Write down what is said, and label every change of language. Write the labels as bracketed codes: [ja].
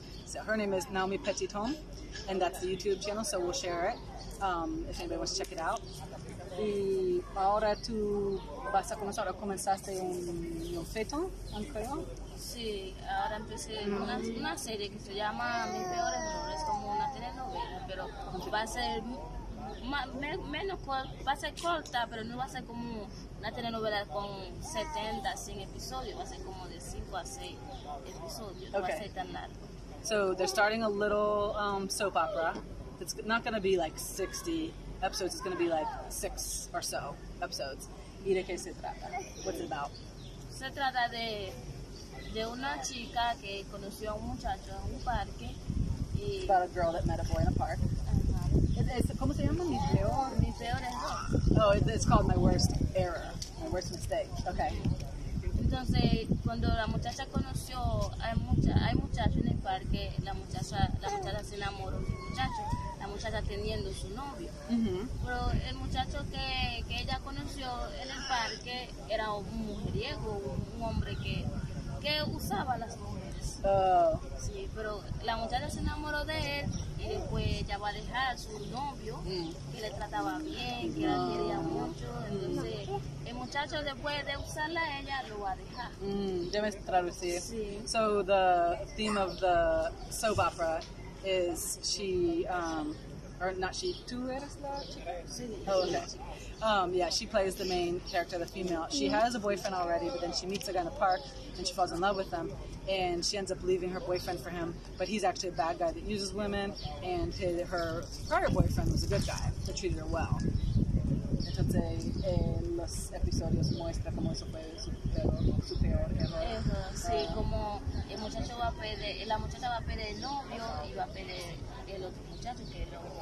[en] So her name is Nahomie Petithomme, and that's the YouTube channel, so we'll share it if anybody wants to check it out. [es] ¿Y ahora tú vas a comenzar o comenzaste un feto, creo? Sí, ahora empecé una serie que se llama Mis Peores Errores, como una telenovela, pero va a ser... va a ser corta, pero no va a ser como una telenovela con 70, 100 episodios. Va a ser como de 5 a 6 episodios. [en] Okay. [es] No va a ser tan largo. [en] So they're starting a little soap opera. It's not going to be like 60 episodes. It's going to be like 6 or so episodes. [es] ¿Y de qué se trata? [en] What's it about? [es] Se trata de una chica que conoció a un muchacho en un parque. Y... [en] It's about a girl that met a boy in a park. [es] ¿Cómo se llama? Mi peor error. [en] Oh, it's called my worst error, my worst mistake. Okay. [es] Entonces, cuando la muchacha conoció hay muchachos en el parque, la muchacha se enamoró del muchacho, la muchacha teniendo su novio. Mm-hmm. Pero el muchacho que ella conoció en el parque era un mujeriego, un hombre que usaba las mujeres. Oh. Sí, pero la muchacha se enamoró de él. Y después ella va a dejar a su novio, que le trataba bien, que la quería mucho. Entonces, el muchacho después de usarla, ella lo va a dejar. Debes traducir. Sí. [en] So, the theme of the soap opera is she, or not she, [es] tú eres la chica? Sí. [en] Oh, okay. Yeah, she plays the main character, the female. She has a boyfriend already, but then she meets a guy in the park, and she falls in love with him, and she ends up leaving her boyfriend for him, but he's actually a bad guy that uses women, and her prior boyfriend was a good guy that treated her well. [es] Entonces, los episodios muestran cómo eso fue su peor error. Sí, como el muchacho va a pedir, la muchacha va a pedir el novio y va a pedir el otro muchacho que lo